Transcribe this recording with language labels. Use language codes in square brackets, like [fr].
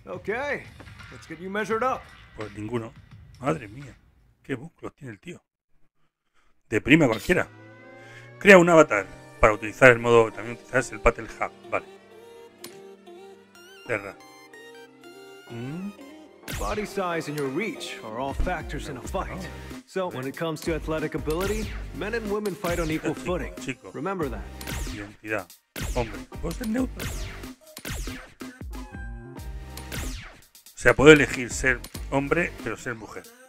[en] Okay, let's get you measured up. [es] Pues ninguno. Madre mía, qué músculos tiene el tío. Deprime a cualquiera. Crea un avatar para utilizar el modo... También utilizarás el Battle Hub, vale. Terra. [en] Body size and your reach are all factors in a fight. So when it comes to athletic ability, men and women fight on equal footing. [es] Chico. [en] Remember that. [es] Identidad. Hombre, vos de neutro. O sea, puedo elegir ser hombre, pero ser mujer.